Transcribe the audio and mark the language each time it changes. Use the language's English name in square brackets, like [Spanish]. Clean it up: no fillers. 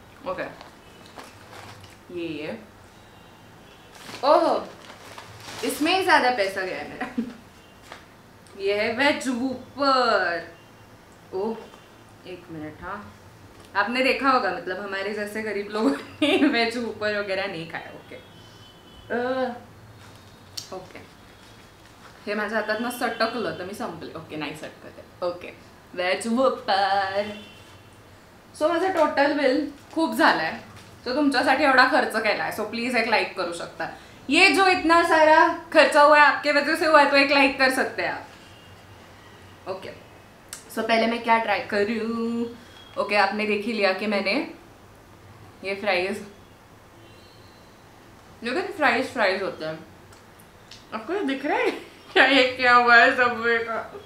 [Hindi] Okay, ये है, ओह इसमें ही ज्यादा पैसा गया मेरा। ये है वेज वूपर, ओ एक मिनट, हाँ आपने देखा होगा मतलब हमारे जैसे गरीब लोगों ने वेज वूपर वगैरह नहीं खाया। [Marathi] ओके ओके, हे माझा आता ना सटकलं तर मी संपले। ओके नाही सटकते, ओके वेज वूपर सो माझं टोटल बिल खूप झालं आहे, सो तुमच्यासाठी एवढा खर्च केला आहे, सो प्लीज एक लाईक करू शकता. [Hindi] ये जो इतना सारा खर्च हुआ आपके वजह से हुआ है तो एक लाईक कर सकते आप. ओके, सो पहले मैं क्या ट्राई करूँ. ओके, आपने देख ही लिया कि मैंने ये फ्राइज, लेकिन फ्राइज फ्राइज होते हैं, आपको दिख रहा है क्या ये क्या हुआ है सबवे का.